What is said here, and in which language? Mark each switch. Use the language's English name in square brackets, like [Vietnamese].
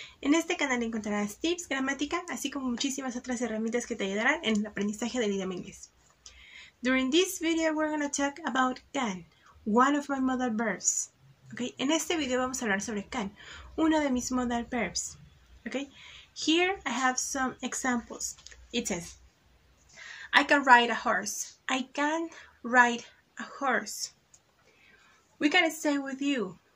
[Spanish] En este canal encontrarás tips, gramática, así como muchísimas otras herramientas que te ayudarán en el aprendizaje del idioma inglés. [English] During this video we're going to talk about Can, one of my modal verbs. Okay? [Spanish] En este video vamos a hablar sobre Can, uno de mis modal verbs. [English] Okay? Here I have some examples. It says, I can ride a horse. I can ride a horse. We can stay with you.